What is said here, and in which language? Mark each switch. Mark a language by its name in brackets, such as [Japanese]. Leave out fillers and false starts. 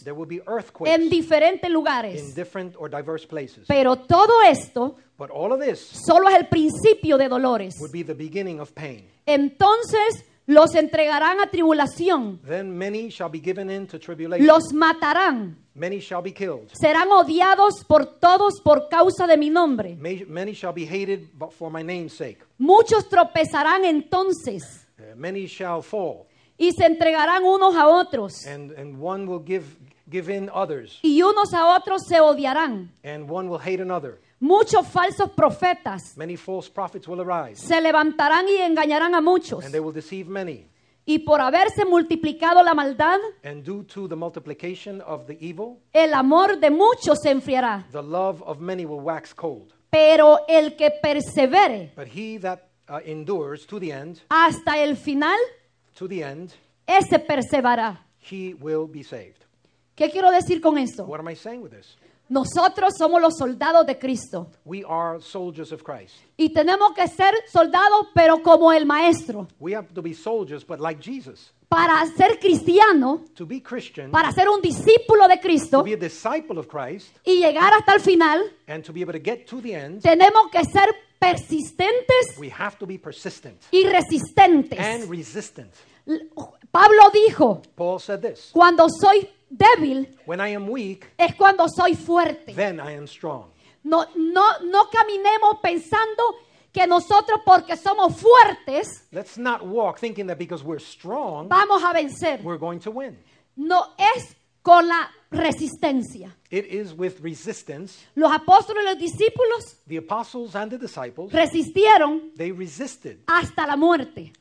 [English] There will be earthquakes. [Spanish] En diferentes lugares. [English] In different or diverse places. [Spanish] Pero todo esto, [English] but all of this, [Spanish] solo es el principio de dolores. [English] Would be the beginning of pain. [Spanish] Entonces los entregarán a tribulación. [English] Then many shall be given in to tribulation. [Spanish] Los matarán. [English] Many shall be killed. [Spanish] Serán odiados por todos por causa de mi nombre. [English] Many shall be hated but for my name's sake. [Spanish] Muchos tropezarán entonces. [English] Many shall fall. [Spanish] y se entregarán unos a otros. [English] And one will give in others. [Spanish] Y unos a otros se odiarán. [English] And one will hate another. [Spanish] Muchos falsos profetas. [English] Many false prophets will arise. [Spanish] Se levantarán y engañarán a muchos. [English] And they will deceive many. [Spanish] Y por haberse multiplicado la maldad, [English] and due to the multiplication of the evil, [Spanish] el amor de muchos se enfriará. [English] The love of many will wax cold. [Spanish] Pero el que persevere, [English] but he that endures to the end, [Spanish] hasta el final, [English] to the end, [Spanish] ese perseverará. [English] He will be saved. [Spanish] ¿Qué quiero decir con esto? [English] What am I saying with this? [Spanish] Nosotros somos los soldados de Cristo. [English] We are soldiers of Christ. [Spanish] Y tenemos que ser soldados, pero como el maestro. [English] We have to be soldiers, but like Jesus. [Spanish] Para ser cristiano. [English] To be Christian. [Spanish] Para ser un discípulo de Cristo. [English] To be a disciple of Christ. [Spanish] Y llegar hasta el final. [English] And to be able to get to the end. [Spanish] Tenemos que ser persistentes. [English] We have to be persistent. [Spanish] Y resistentes. [English] And resistant. [Spanish] Pablo dijo. [English] Paul said this. [Spanish] Cuando soy débil, [English] when I am weak, [Spanish] es cuando soy fuerte. [English] Then I am strong. [Spanish] No caminemos pensando que nosotros porque somos fuertes, [English] let's not walk thinking that because we're strong, [Spanish] vamos a vencer. [English] We're going to win. [Spanish] No es con la resistencia. [English] It is with resistance. [Spanish] Los apóstoles y los discípulos, [English] the apostles and the disciples, [Spanish] resistieron. [English] They resisted [Spanish] hasta la muerte.